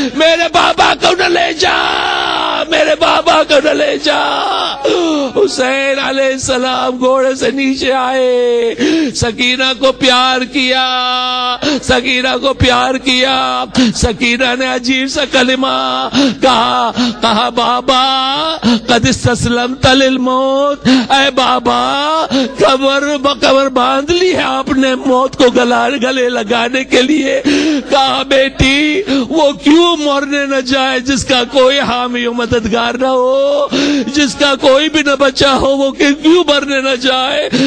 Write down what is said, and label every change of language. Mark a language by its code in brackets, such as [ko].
[ur] میرے بابا کو نہ لے جا میرے بابا کو نہ لے جا. حسین علیہ السلام گھوڑے سے نیچے آئے سکینہ کو پیار کیا سکینہ نے عجیب سا کلمہ کہا. کہا بابا [ar] قد استسلمت للموت. [ur] اے بابا قبر باندھ لی ہے آپ نے موت کو گلے لگانے کے لیے. کہا بیٹی وہ کیوں مرنے نہ جائے جس کا کوئی حامی و مددگار نہ ہو جس کا کوئی بھی نہ بچا ہو وہ کیوں مرنے نہ جائے.